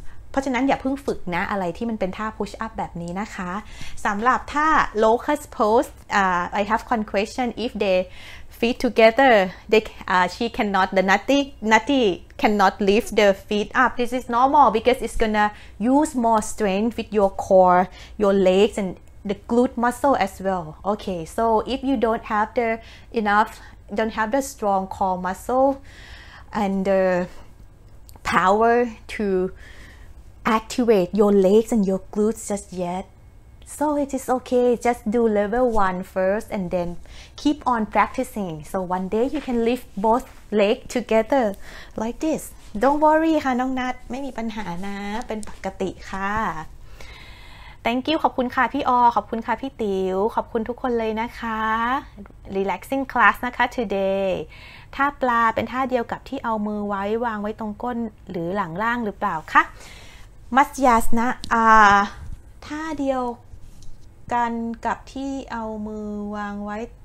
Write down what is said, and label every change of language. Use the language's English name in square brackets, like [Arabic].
[Thai] เพราะฉะนั้นอย่าเพิ่งฝึกนะอะไรที่มันเป็นท่า push up แบบนี้นะคะสำหรับท่า locus pose [English] I have one question if they feet together they she cannot the nutty cannot lift the feet up this is normal because it's gonna use more strength with your core your legs and the glute muscle as well okay so if you don't have the strong core muscle under power to activate your legs and your glutes just yet. So it is okay, just do level one first and then keep on practicing. So one day you can lift both legs together like this. Don't worry [Thai] ค่ะน้องนัทไม่มีปัญหานะเป็นปกติค่ะ [English] Thank you [Thai] ขอบคุณค่ะพี่อขอบคุณค่ะพี่ติ๋วขอบคุณทุกคนเลยนะคะ [English] Relaxing class [Thai] นะคะ [English] today [Thai] ท่าปลาเป็นท่าเดียวกับที่เอามือไว้วางไว้ตรงก้นหรือหลังล่างหรือเปล่าคะ Masyas นะท่าเดียวกันกับที่เอามือวางไว้